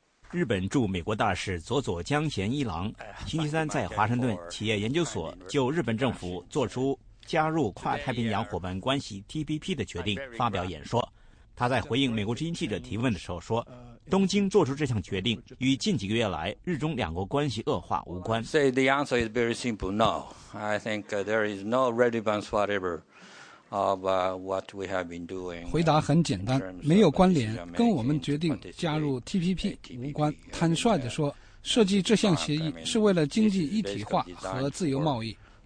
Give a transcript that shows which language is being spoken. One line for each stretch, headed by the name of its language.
Chinese: 日本驻美国大使佐佐江贤一郎星期三在华盛顿企业研究所就日本政府做出加入跨太平洋伙伴关系 TPP 的决定发表演说。他在回应美国之音记者提问的时候说，东京做出这项决定与近几个月来日中两国关系恶化无关。
English: Say the answer is very simple, no. I think there is no relevance whatever.
Chinese: 回答很简单，没有关联，跟我们决定加入 TPP 无关。坦率地说，设计这项协议是为了经济一体化和自由贸易。